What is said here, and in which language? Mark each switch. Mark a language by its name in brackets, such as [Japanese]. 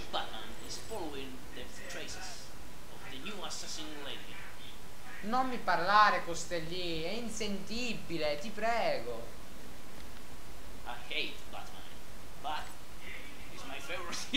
[English] Now, Batman is following the traces of the new assassin lady. [Italian] Non mi parlare, Costelli, è insentibile, ti prego. [English] I hate Batman, but he's my favorite.